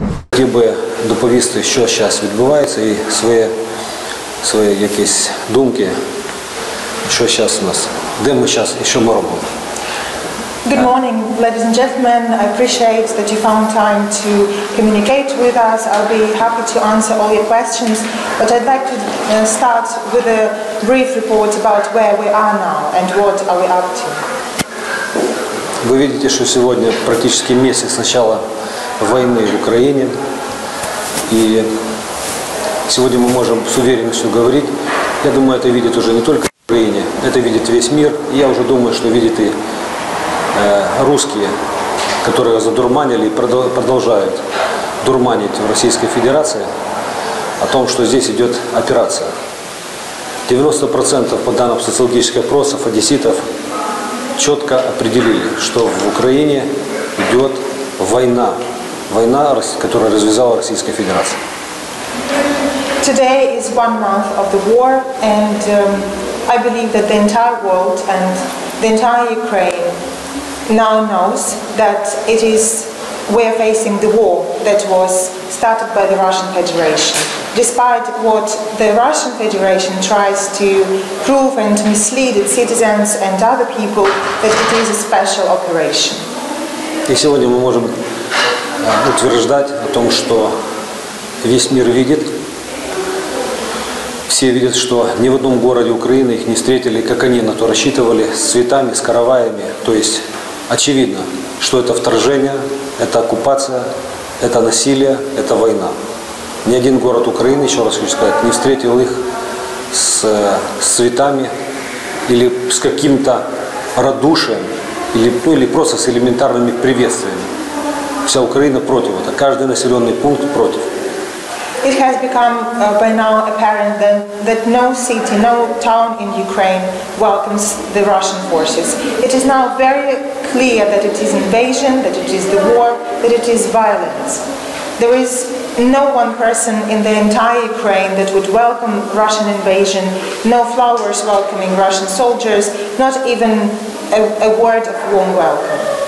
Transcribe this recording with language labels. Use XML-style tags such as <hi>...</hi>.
<uk>Хотів би доповісти, що зараз відбувається, і свої якісь думки, що зараз у нас, де ми зараз і що ми робимо.</uk> <en>Good morning, ladies and gentlemen. I appreciate that you found time to communicate with us. I'll be happy to answer all your questions, but I'd like to start with a brief report about where we are now and what are we up to.</en> <uk>Ви бачите, що сьогодні практично місяць з початку війни в Україні, і сьогодні ми можемо з впевненістю говорити. Я думаю, це бачить вже не тільки в Україні, це бачить весь світ. Я вже думаю, що бачить і</uk> <ru>русские, которые задурманили и продолжают дурманить в Российской Федерации о том, что здесь идет операция. 90% по данным социологических опросов одесситов четко определили, что в Украине идет война. Война, которую развязала Российская Федерация.</ru> <en>Today is one month of the war, and I believe that the entire world and the entire Ukraine now knows that it is we are facing the war that was started by the Russian Federation. Despite what the Russian Federation tries to prove and to mislead its citizens and other people, that it is a special operation.</en> <ru>И сегодня мы можем утверждать о том, что весь мир видит, все видят, что ни в одном городе Украины их не встретили, как они на то рассчитывали, с цветами, с караваями, то есть очевидно, что это вторжение, это оккупация, это насилие, это война. Ни один город Украины, еще раз хочу сказать, не встретил их с цветами или с каким-то радушием, или просто с элементарными приветствиями. Вся Украина против этого. Каждый населенный пункт против.</ru> <en>It has become by now apparent that no city, no town in Ukraine welcomes the Russian forces. It is now very clear that it is invasion, that it is the war, that it is violence. There is no one person in the entire Ukraine that would welcome Russian invasion, no flowers welcoming Russian soldiers, not even a word of warm welcome.</en>